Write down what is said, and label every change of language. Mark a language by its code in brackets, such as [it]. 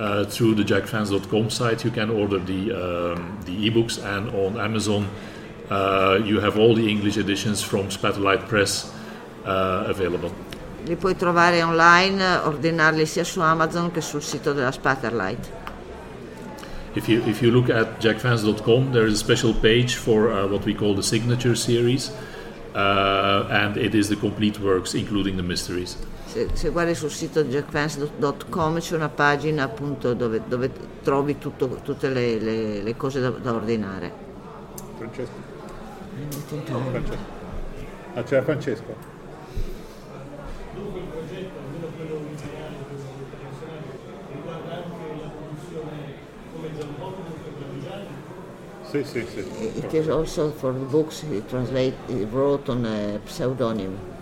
[en] Through the jackfans.com site you can order the ebooks, and on Amazon you have all the English editions from Spatellite Press available. [it] Li puoi trovare online, ordinarli sia su Amazon che sul sito della Spatellite. [en] If you look at jackfans.com, there is a special page for what we call the signature series, and it is the complete works, including the mysteries. [it] Se guardi sul sito jackfans.com c'è una pagina appunto dove trovi tutte le cose da ordinare. Francesco. No, Francesco. Ah, c'è Francesco. Dunque il progetto, almeno quello originale, riguarda anche la produzione come Gianpotto per Parmigiani? Sì, sì, sì. [en] It is also for the books he wrote on a pseudonym.